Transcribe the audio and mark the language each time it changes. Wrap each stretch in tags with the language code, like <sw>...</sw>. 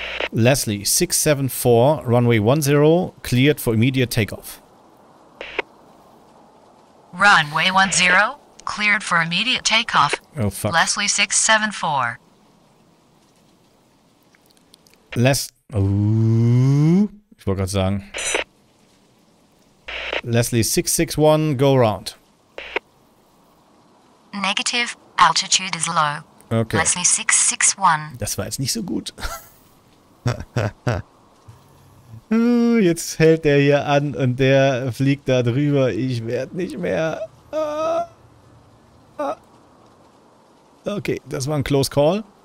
<en>Leslie 674, runway 10, cleared for immediate takeoff. Runway 10, cleared for immediate takeoff. Oh fuck. Leslie 674.</en> <de>Ich wollte gerade sagen.</de> <en>Leslie 661, go around. Negative, altitude is low. Okay. Leslie 661.</en> <de>Das war jetzt nicht so gut. Jetzt hält der hier an und der fliegt da drüber. Ich werde nicht mehr. Okay, das war ein</de> <en>close call.</en>